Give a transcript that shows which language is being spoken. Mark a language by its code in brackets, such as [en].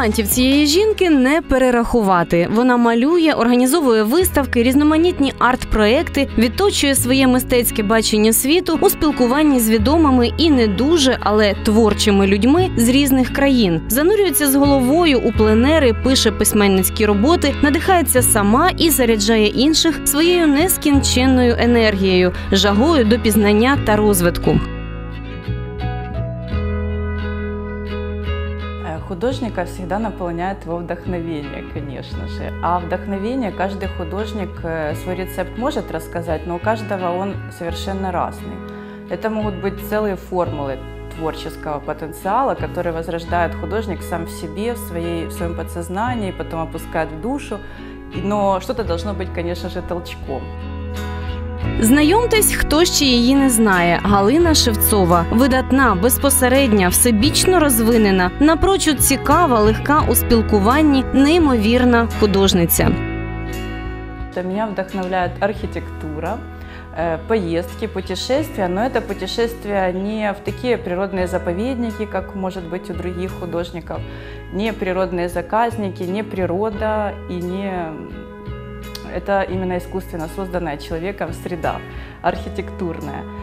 [uk] цієї жінки не перерахувати. Вона малює, організовує виставки, різноманітні арт-проекти, відточує своє мистецьке бачення світу у спілкуванні з відомими і не дуже, але творчими людьми з різних країн. Занурюється з головою у пленери, пише письменницькі роботи, надихається сама і заряджає інших своєю нескінченною енергією, жагою до пізнання та розвитку. [ru] Художника всегда наполняет его вдохновение, конечно же. А вдохновение каждый художник свой рецепт может рассказать, но у каждого он совершенно разный. Это могут быть целые формулы творческого потенциала, которые возрождает художник сам в себе, в своем подсознании, потом опускает в душу. Но что-то должно быть, конечно же, толчком. [uk] Знайомтесь, хто ще її не знає. Галина Шевцова – видатна, безпосередня, всебічно розвинена, напрочуд цікава, легка у спілкуванні, неймовірна художниця. Мене вдохновляє архітектура, поїздки, [ru] путешествия, но это путешествия не в такие природные заповедники, как может быть у других художников, не природные заказники, не природа и не это именно искусственно созданная человеком среда, архитектурная.